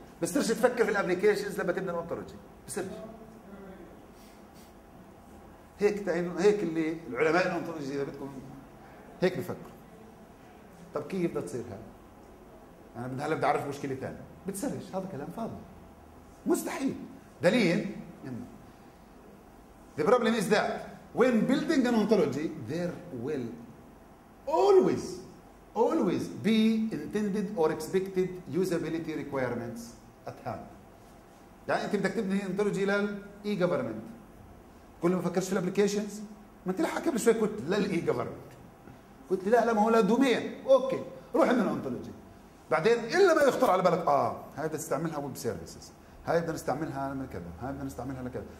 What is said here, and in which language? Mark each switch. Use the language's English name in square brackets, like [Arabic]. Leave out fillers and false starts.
[Arabic] بتصيرش تفكر في الابلكيشنز لما تبني الانتولوجي، بتصيرش هيك هيك اللي العلماء الانتولوجي اذا بدكم هيك بفكروا. طب كيف بدها تصير هاي؟ أنا من هلا بدي أعرف مشكلة ثانية. بتسرش، هذا كلام فاضي، مستحيل. [English] دليل The problem is that when building an ontology there will always be intended or expected usability requirements at hand. [Arabic] يعني أنت بدك تبني ontology لل e-government، كل ما فكرش في الابليكيشنز ما تلحق. قبل شوي كنت لل e-government، قلت لي لا ما هو لا دومين، اوكي روح عندنا انتولوجي. بعدين الا ما يخطر على بالك هاي بدنا نستعملها ويب سيرفيسز، هاي بدنا نستعملها لكذا، هاي بدنا نستعملها لكذا.